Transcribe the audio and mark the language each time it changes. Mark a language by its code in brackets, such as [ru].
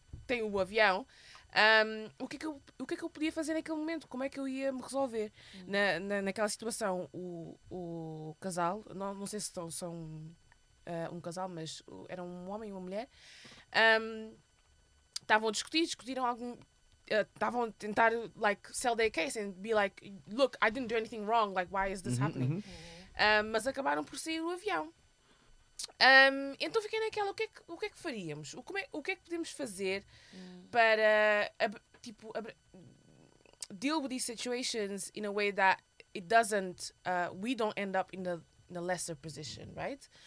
[pt] tem o avião, o que é que eu podia fazer naquele momento? Como é que eu ia me resolver naquela situação? O casal, não sei se são um casal, mas era um homem e uma mulher, estavam a discutir, discutiram algum... estavam a tentar, [en] like, sell their case and be like, look, I didn't do anything wrong, like, why is this happening? [pt] Uh-huh. Mas acabaram por sair o avião. Então fiquei naquela, o que é que faríamos? O que é que podemos fazer para, tipo, [en] deal with these situations in a way that it doesn't, we don't end up in the lesser position, right?